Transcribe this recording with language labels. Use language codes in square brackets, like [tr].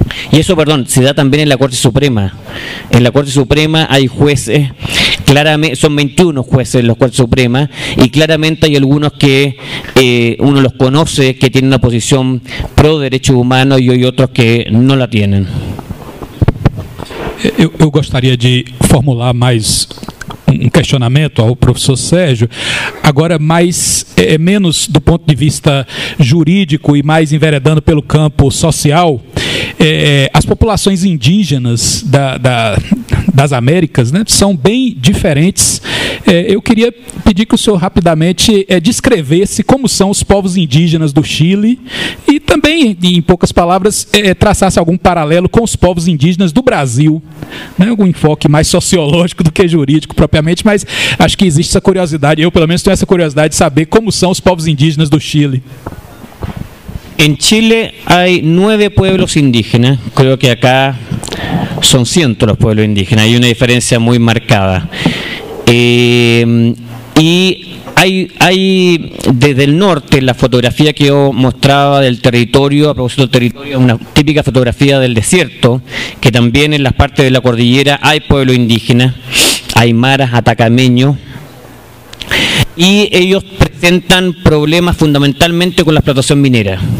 [es] Y eso, perdón, se da también en la Corte Suprema. En la Corte Suprema hay jueces, claramente, son 21 jueces en la Corte Suprema, y claramente hay algunos que uno los conoce, que tienen una posición pro derechos humanos, y hay otros que no la tienen. Yo gustaría de formular más un cuestionamiento al profesor Sérgio, ahora más, menos do punto de vista jurídico y más [pt] enveredando pelo campo social. As populações indígenas das Américas, né, são bem diferentes. Eu queria pedir que o senhor rapidamente descrevesse como são os povos indígenas do Chile e também, em poucas palavras, traçasse algum paralelo com os povos indígenas do Brasil. Né, algum enfoque mais sociológico do que jurídico propriamente, mas acho que existe essa curiosidade. Eu, pelo menos, tenho essa curiosidade de saber como são os povos indígenas do Chile. [es] En Chile hay 9 pueblos indígenas, creo que acá son 100 los pueblos indígenas, hay una diferencia muy marcada. Y hay desde el norte, la fotografía que yo mostraba del territorio, a propósito del territorio, una típica fotografía del desierto, que también en las partes de la cordillera hay pueblos indígenas, aymaras, atacameños, y ellos presentan problemas fundamentalmente con la explotación minera.